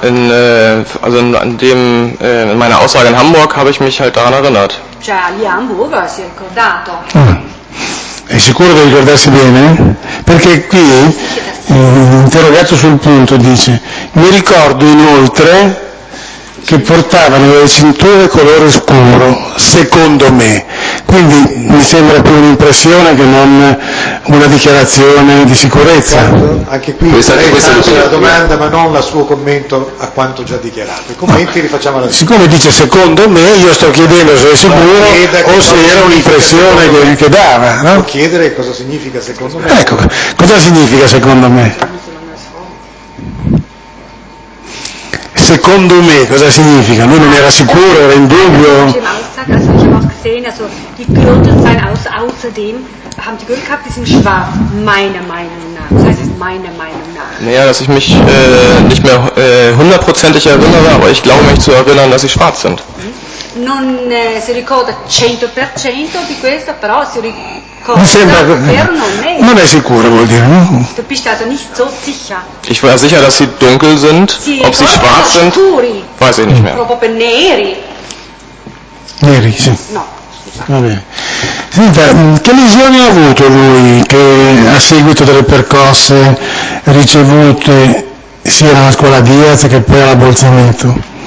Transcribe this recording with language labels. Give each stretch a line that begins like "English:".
German: In meiner Aussage in Hamburg habe ich mich halt daran erinnert.
Italian: Cioè, lì a Hamburgo si è ricordato. È sicuro di ricordarsi bene? Perché qui, interrogato sul punto, dice: mi ricordo inoltre che portavano le cinture colore scuro, secondo me. Quindi mi sembra più un'impressione che non una dichiarazione di sicurezza. Certo, anche qui questa è la domanda, ma non il suo commento a quanto già dichiarato. I commenti li facciamo adesso. Siccome dice secondo me, io sto chiedendo se è sicuro o se era un'impressione che dava. No? Può chiedere cosa significa secondo me. Ecco, cosa significa secondo me? Secondo me cosa significa? Lui non era sicuro, era in dubbio.
German: Also die Gürtel seien außerdem, haben die Gürtel gehabt, die sind schwarz, meiner Meinung nach. Das heißt, meiner Meinung nach. Naja, dass ich mich nicht mehr hundertprozentig erinnere, aber ich glaube mich zu erinnern, dass sie schwarz sind.
Italian: Non si ricorda 100% di questo, però si ricorda erano me. Non è sicuro, vuol dire.
German: Du bist also nicht so sicher. Ich war sicher, dass sie dunkel sind. Sie ob sie schwarz
Italian: scuri.
German: Sind, weiß ich nicht mehr.
Italian: Proprio neri. Neri, sì. No. Va bene. Senta, che lesioni ha avuto lui che a seguito delle percosse ricevute sia nella scuola Diaz che poi alla Bolzaneto?